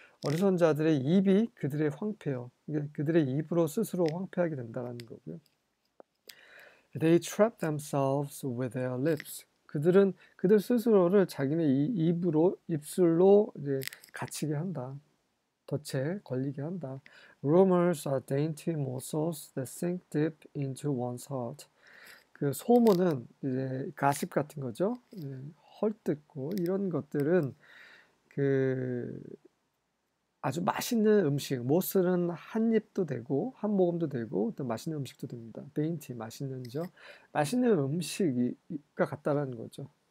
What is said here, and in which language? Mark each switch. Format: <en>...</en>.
<ko>어리석은 자들의 입이 그들의 황폐요. 그들의 입으로 스스로 황폐하게 된다는 거고요.</ko> <en>They trap themselves with their lips.</en> <ko>그들은 그들 스스로를 자기네 입술로 이제 갇히게 한다. 덫에 걸리게 한다.</ko> <en>Rumors are dainty morsels that sink deep into one's heart.</en> <ko>그 소문은 이제 가십 같은 거죠. 헐뜯고 이런 것들은 그 아주 맛있는 음식, 모슬은 한 입도 되고 한 모금도 되고 또 맛있는 음식도 됩니다. 데인티, 맛있는죠. 맛있는 음식과 같다라는 거죠.</ko>